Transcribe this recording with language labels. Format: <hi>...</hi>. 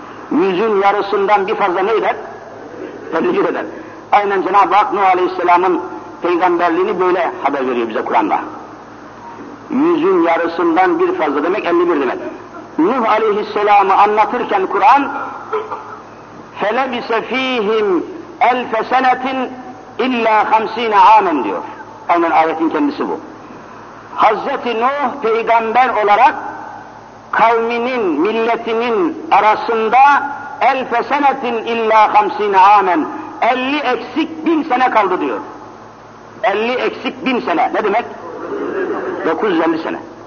<tr>Yüzün yarısından bir fazla ne eder? 51 eder. Aynen Cenab-ı Hak Nuh Aleyhisselam'ın peygamberliğini böyle haber veriyor bize Kur'an'da. Yüzün yarısından bir fazla demek 51 demek. Nuh Aleyhisselam'ı anlatırken Kur'an</tr> <ar>فَلَبِسَ ف۪يهِمْ اَلْفَ سَنَةٍ اِلَّا خَمْس۪ينَ عَامًا</ar> <tr>diyor. Aynen ayetin kendisi bu. Hazreti Nuh peygamber olarak kavminin, milletinin arasında</tr> <ar>اَلْفَ سَنَةٍ اِلَّا خَمْس۪ينَ عَامًا</ar> <tr>50 eksik 1000 sene kaldı diyor. 50 eksik 1000 sene. Ne demek? 950 sene.</tr>